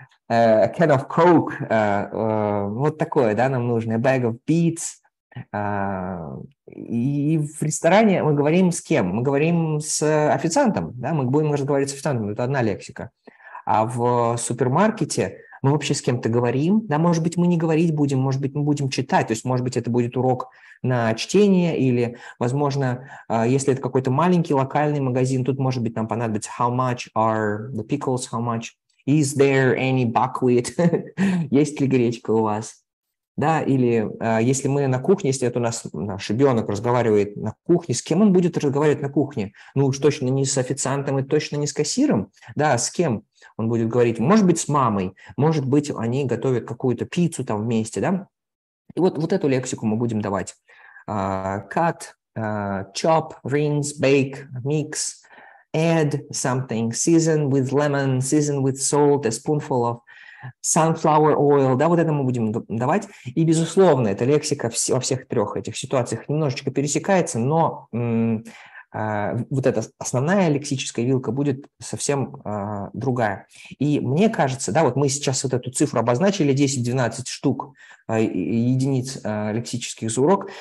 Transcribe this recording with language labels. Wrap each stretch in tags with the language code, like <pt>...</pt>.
<en>A can of coke,</en> <ru>вот такое, да, нам нужно,</ru> <en>a bag of beets.</en> <ru>И в ресторане мы говорим с кем? Мы говорим с официантом, да, мы будем разговаривать с официантом, это одна лексика. А в супермаркете мы вообще с кем-то говорим, да, может быть, мы не говорить будем, может быть, мы будем читать, то есть, может быть, это будет урок на чтение, или, возможно, если это какой-то маленький локальный магазин, тут, может быть, нам понадобится</ru> <en>how much are the pickles, how much is there any buckwheat?</en> <ru>Есть ли гречка у вас? Да, или если мы на кухне, если это у нас наш ребенок разговаривает на кухне, с кем он будет разговаривать на кухне? Ну уж точно не с официантом и точно не с кассиром. Да, с кем он будет говорить? Может быть, с мамой. Может быть, они готовят какую-то пиццу там вместе, да? И вот эту лексику мы будем давать.</ru> <en>Cut, chop, rinse, bake, mix, add something, season with lemon, season with salt, a spoonful of sunflower oil,</en> <ru>да, вот это мы будем давать. И, безусловно, эта лексика во всех трех этих ситуациях немножечко пересекается, но вот эта основная лексическая вилка будет совсем другая. И мне кажется, да, вот мы сейчас вот эту цифру обозначили, 10-12 штук единиц лексических за урок.</ru>